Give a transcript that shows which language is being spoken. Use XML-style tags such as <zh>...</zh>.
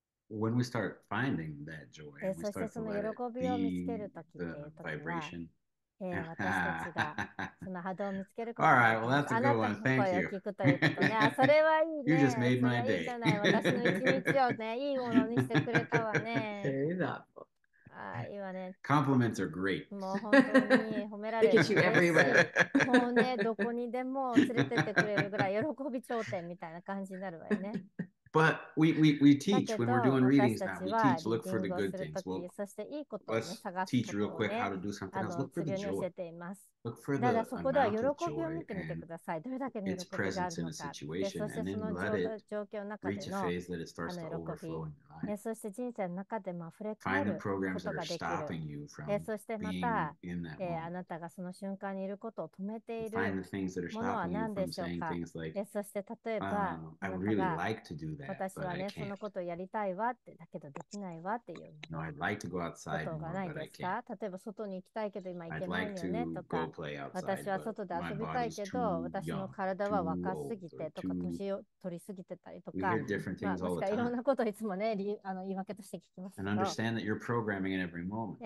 <en>When we start finding that joy, we start to let it be the vibration.</en> <ja>私たちがその波動を見つけることで、あなたの声を聞くということね。それはいいね。</ja> <en>You just made my day.</en> <ja>それはいいじゃない。私の一日をね、いいものにしてくれたわね。</ja> <en>Very thoughtful.</en> <ja>いいわね、</ja> <en>compliments are great.</en> <ja>もう本当に褒められる。</ja> <en>They get you everywhere.</en> <ja>もうね、どこにでも連れてってくれるぐらい喜び頂点みたいな感じになるわよね。</ja> <en>But we teach when we're doing readings now. We teach, look for the good things. Well, let's teach real quick how to do something else. Look for the joy. Look for the amount of joy and its presence in a situation. And then let it reach a phase that it starts to overflow in your life. Find the programs that are stopping you from being in that moment. Find the things that are stopping you from saying things like, I really like to do that.</en> <ja>ね、私はね、そのことをやりたいわって、だけどできないわっていう。</ja> <en>No, I'd like to go outside more, but I can't.</en> <ja>例えば外に行きたいけど今行けないよねとか、</ja> <en>like、outside,</en> <ja>私は外で遊びたいけど、私の体は若すぎてとか、年を取りすぎてたりとか、まあ、かいろんなことをいつもね、言い訳として聞きます。</ja> <en>And understand that you're programming in every moment.</en>